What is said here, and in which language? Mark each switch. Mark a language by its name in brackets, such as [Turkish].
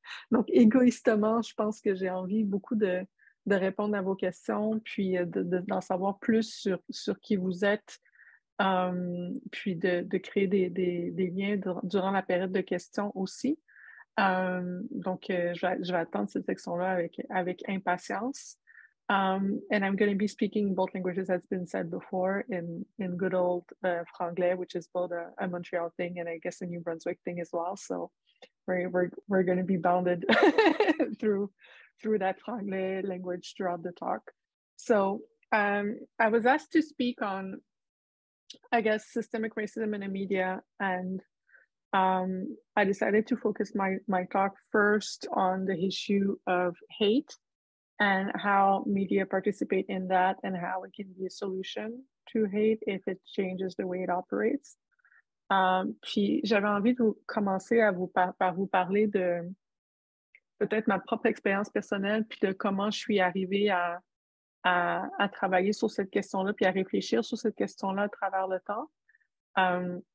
[French] Donc, égoïstement, je pense que j'ai envie beaucoup de répondre à vos questions, puis d'en savoir plus sur qui vous êtes, puis de créer des liens durant la période de questions aussi. Donc, je vais attendre cette section-là avec impatience. [English] And I'm going to be speaking both languages, as been said before, in good old franglais, which is both a Montreal thing and I guess a New Brunswick thing as well. So we're going to be bounded through that franglais language throughout the talk. So I was asked to speak on, I guess, systemic racism in the media, and I decided to focus my talk first on the issue of hate and how media participate in that and how it can be a solution to hate if it changes the way it operates. [French] Puis j'avais envie de commencer à vous par vous parler de peut-être ma propre expérience personnelle, puis de comment je suis arrivée à travailler sur cette question-là, puis à réfléchir sur cette question-là à travers le temps.